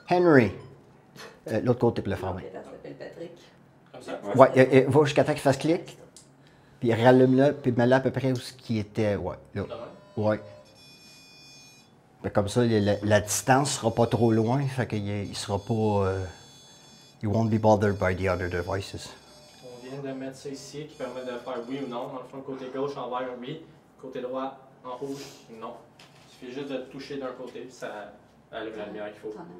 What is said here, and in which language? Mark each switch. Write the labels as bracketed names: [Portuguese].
[French] Henry. L'autre côté peut le fermer. Il s'appelle Patrick. Comme ça? Ouais, ouais, va jusqu'à temps qu'il fasse clic. Puis rallume-le puis mets-le à peu près où ce qui était. Ouais, là. Ouais. Ben comme ça, la distance sera pas trop loin, fait qu'il sera pas... [English] il won't be bothered by the other devices. [French] On vient de mettre ça ici, qui permet de faire oui ou non. Dans le fond, côté gauche, en vert, oui. Côté droit, en rouge, non. Il suffit juste de toucher d'un côté, puis ça allume la lumière qu'il faut. Ouais.